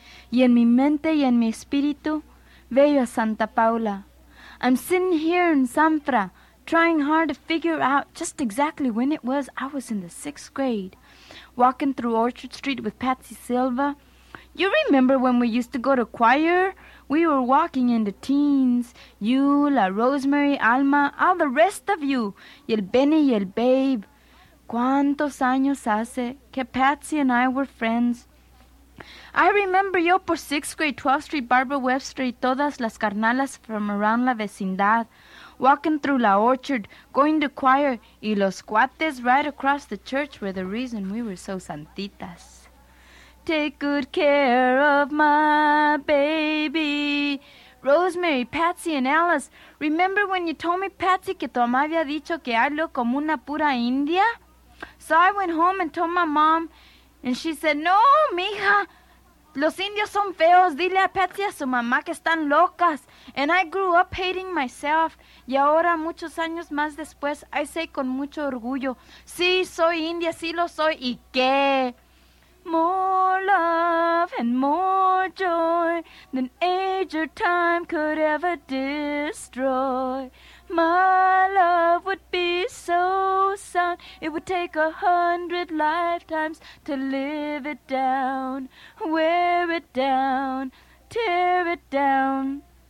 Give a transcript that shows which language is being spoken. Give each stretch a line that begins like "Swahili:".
Spanish: Y en mi mente y en mi espíritu, veo a Santa Paula.
English: I'm sitting here in Sanfra, trying hard to figure out just exactly when it was I was in the sixth grade, walking through Orchard Street with Patsy Silva. You remember when we used to go to choir? We were walking in the teens. You, La Rosemary, Alma, all the rest of you.
Spanish: Y el Benny y el Babe. ¿Cuántos años hace que Patsy
English: and I were friends? I remember yo por sixth grade, 12th Street, Barbara Webster,
Spanish: y todas las carnalas
English: from around
Spanish: la vecindad.
English: Walking through La Orchard, going to choir,
Spanish: y los cuates
English: right across the church were the reason we were so santitas. Take good care of my baby. Rosemary, Patsy, and Alice, remember when you told me, Patsy,
Spanish: que tu mamá había dicho que
English: I look
Spanish: como una pura india?
English: So I went home and told my mom, and she said, no, mija.
Spanish: Los indios son feos, dile a Patsy a su mamá que están locas.
English: And I grew up hating myself.
Spanish: Y ahora, muchos años más después,
English: I say
Spanish: con mucho orgullo, sí, soy india, sí lo soy, ¿y qué?
English: More love and more joy than age or time could ever destroy. My love would be so sound, it would take 100 lifetimes to live it down, wear it down, tear it down.